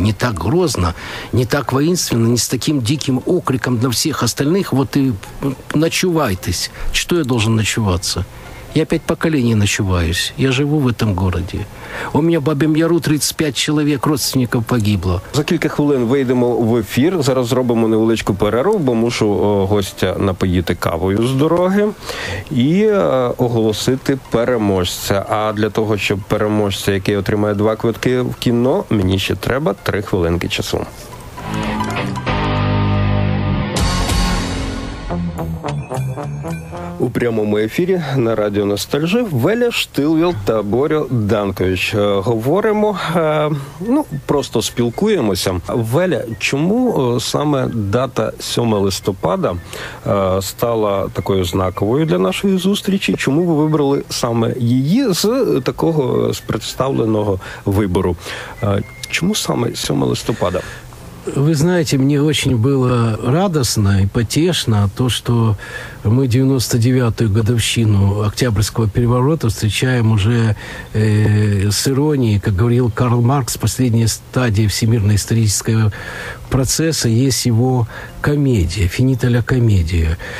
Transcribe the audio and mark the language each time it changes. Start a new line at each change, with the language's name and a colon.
Russian: Не так грозно, не так воинственно, не с таким диким окриком для всех остальных. Вот и ночувайтесь. Что я должен ночуваться? Я 5 поколений ночуваюсь. Я живу в этом городе. У меня в Бабьем Яру 35 человек, родственников погибло.
Ukrainian: За кілька хвилин вийдемо в ефір. Зараз зробимо невеличку перерву, бо мушу гостя напоїти кавою з дороги і оголосити переможця. А для того, щоб переможця, який отримає 2 квитки в кіно, мені ще треба 3 хвилинки часу. У прямому ефірі на радіо «Ностальжі» Веля Штилвелд та Борю Данкович. Говоримо, ну, просто спілкуємося. Веля, чому саме дата 7 листопада стала такою знаковою для нашої зустрічі? Чому ви вибрали саме її з такого представленого вибору? Чому саме 7 листопада?
Russian: Вы знаете, мне очень было радостно и потешно то, что мы 99-ю годовщину Октябрьского переворота встречаем уже с иронией, как говорил Карл Маркс, последняя стадия всемирной исторической процесса есть его комедия, «Финита ля комедия».